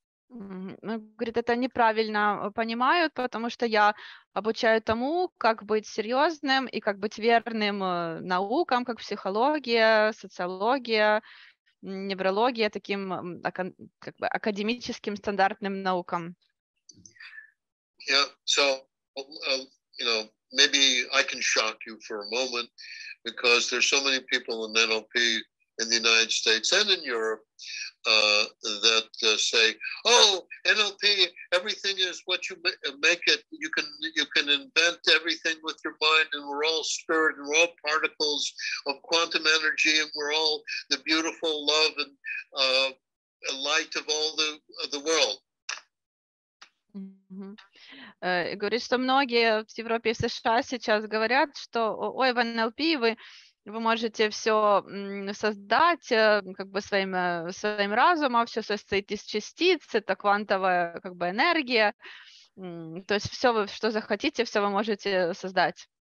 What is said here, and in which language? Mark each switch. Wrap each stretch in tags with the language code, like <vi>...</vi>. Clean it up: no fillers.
<ru>Говорит, это неправильно понимают, потому что я обучаю тому, как быть серьезным и как быть верным наукам, как психология, социология, неврология, таким как бы академическим стандартным наукам.</ru> <en>Yeah, so you know, maybe I can shock you for a moment, because there's so many people in NLP in the United States and in Europe that say, "Oh, NLP, everything is what you make it. You can invent everything with your mind, and we're all spirit, and we're all particles of quantum energy, and we're all the beautiful love and light of all the world."</en> <ru>Говорит, что многие в Европе и США сейчас говорят, что, ой, в NLP вы можете все создать как бы своим разумом, все состоит из частиц, это квантовая как бы энергия, то есть все, что захотите, все вы можете создать.</ru>